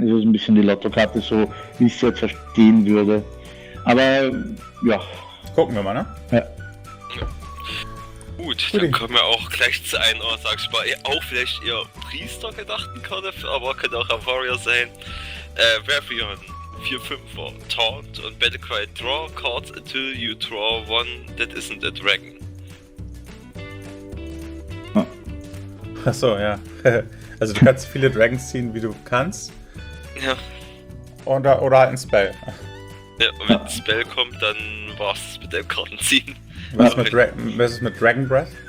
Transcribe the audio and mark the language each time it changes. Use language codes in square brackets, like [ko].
[de] Ist es ein bisschen die Lottokarte, so wie ich es jetzt verstehen würde. Aber, ja. Gucken wir mal, ne? Ja. Gut, dann kommen wir auch gleich zu einer, sag ich mal, auch vielleicht eher Priester gedachten Karte, aber könnte auch ein Warrior sein. [en] Varian, [de] 4-5er, Taunt und Battlecry, [en] draw cards until you draw one that isn't a dragon. [de] Oh. Achso, ja. Also du kannst viele Dragons ziehen, wie du kannst. Ja. Oder halt ein Spell. Ja, und wenn ein Spell kommt, dann war es mit dem Karten ziehen. Was ist mit Dragon Breath?